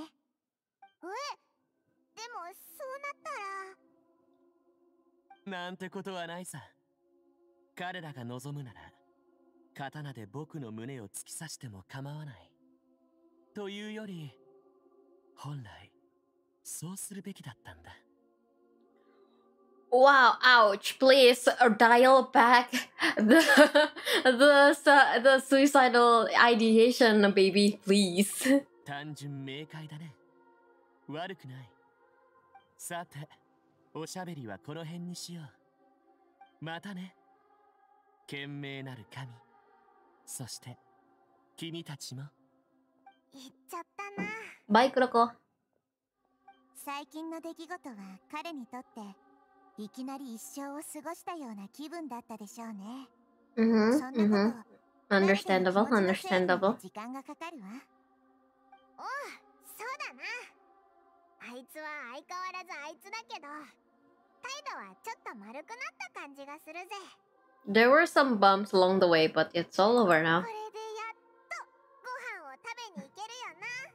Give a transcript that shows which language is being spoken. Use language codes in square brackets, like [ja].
[ja] え、でもそうなったら。なんてことはないさ。彼らが望むなら、刀で僕の胸を突き刺しても構わない。というより、本来、そうするべきだったんだ。 [en] Wow, ouch, please dial back the suicidal ideation, baby, please. [ja] 単純明快だね。悪くない。さて、おしゃべりはこの辺にしよう。またね。賢明なる神。そして、君たちも。行っちゃったな。バイクロコ。最近の出来事は彼にとって、いきなり一生を過ごしたような気分だったでしょうね。 [en] Understandable, understandable. [ja] 時間がかかるわ。おう、そうだな。あいつは相変わらずあいつだけど、態度はちょっと丸くなった感じがするぜ。 [en] There were some bumps along the way, but it's all over now. [ja] これでやっとご飯を食べに行けるよな。